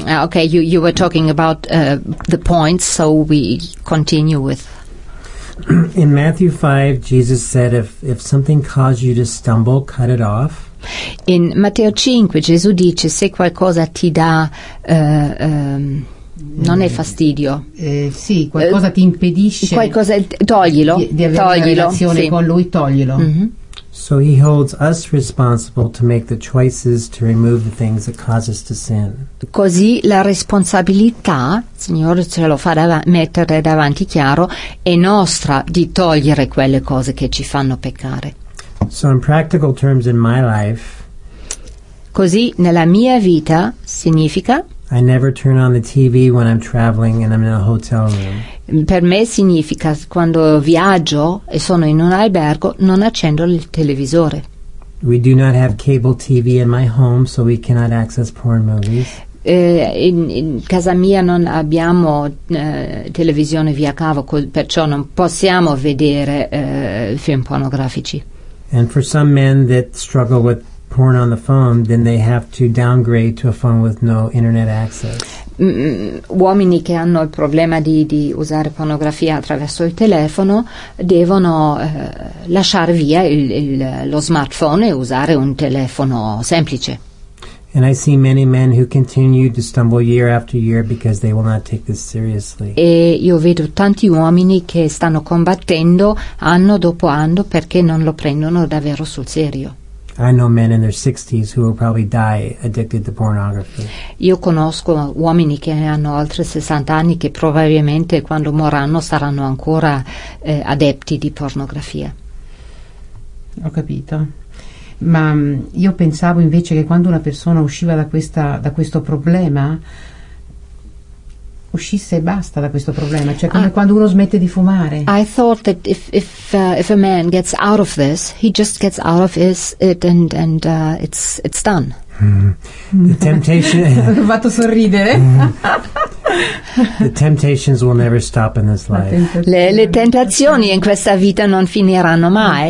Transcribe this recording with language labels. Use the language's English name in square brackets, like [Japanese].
[English] Ok, you were talking about the points, so we continue with. In Matthew 5, Jesus said, if something causes you to stumble, cut it off. [Italian] In Matteo 5, Gesù dice, se qualcosa ti dà, non è fastidio. Sì, qualcosa ti impedisce. Qualcosa, toglilo. Di avere toglilo, una relazione con lui, toglilo. Mm-hmm. [English] So he holds us responsible to make the choices to remove the things that cause us to sin. [Italian] Così la responsabilità, Signore ce lo fa mettere davanti chiaro, è nostra di togliere quelle cose che ci fanno peccare. [English] So in practical terms in my life, [Italian] così nella mia vita significa, [English] I never turn on the TV when I'm traveling and I'm in a hotel room. [Italian] Per me significa quando viaggio e sono in un albergo non accendo il televisore. [English] We do not have cable TV in my home, so we cannot access porn movies. [Italian] In casa mia non abbiamo televisione via cavo, perciò non possiamo vedere film pornografici. [English] And for some men that struggle with porn on the phone, then they have to downgrade to a phone with no internet access. [Italian] Uomini che hanno il problema di usare pornografia attraverso il telefono devono lasciare via lo smartphone e usare un telefono semplice. [English] And I see many men who continue to stumble year after year because they will not take this seriously. [Italian] E io vedo tanti uomini che stanno combattendo anno dopo anno perché non lo prendono davvero sul serio. [English] I know men in their 60s who will probably die addicted to pornography. [Italian] Io conosco uomini che hanno oltre 60 anni che probabilmente quando moranno saranno ancora adepti di pornografia. Ho capito. Ma io pensavo invece che quando una persona usciva da questo problema, uscisse e basta da questo problema, cioè come quando uno smette di fumare. [English] I thought that if a man gets out of this, he just gets out of it and it's done. The temptation. [Italian] Ho fatto sorridere. [English] The temptations will never stop in this life. [Italian] Le tentazioni in questa vita non finiranno mai.